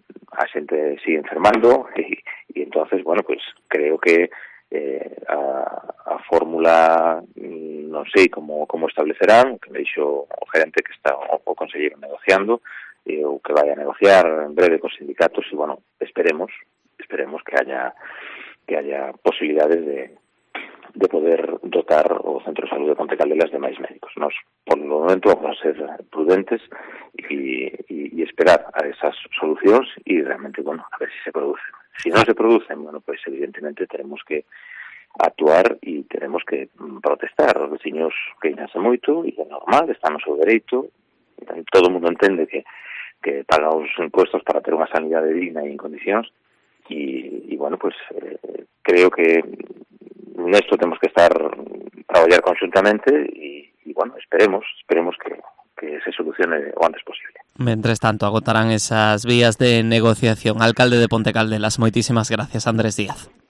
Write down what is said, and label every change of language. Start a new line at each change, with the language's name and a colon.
Galician: A xente sigue enfermando
Spanish: y entonces, bueno, pues
Galician: creo que a fórmula non sei como establecerán, que me dixo o gerente que está o conseguir negociando ou que vai a negociar en breve con sindicatos e, bueno, esperemos que haya posibilidades de poder dotar o Centro de Salud de Ponte Caldelas de máis médicos. Nos, por o momento, vamos a ser prudentes e esperar a esas solucións e realmente, bueno, a ver si se producen.
Spanish: Si no se producen, bueno, pues evidentemente tenemos que actuar y tenemos que protestar.
Galician: Los vecinos queixanse moito
Spanish: y es normal,
Galician: están no seu dereito.
Spanish: Todo el mundo entiende que pagan
Galician: os impuestos para ter unha sanidade digna e en condicións.
Spanish: Y bueno, pues creo que en esto tenemos que estar, trabajar conjuntamente y bueno, esperemos que se solucione o antes posible. Mientras tanto, agotarán esas vías de negociación. Alcalde de Ponte Caldelas, muchísimas gracias, Andrés Díaz.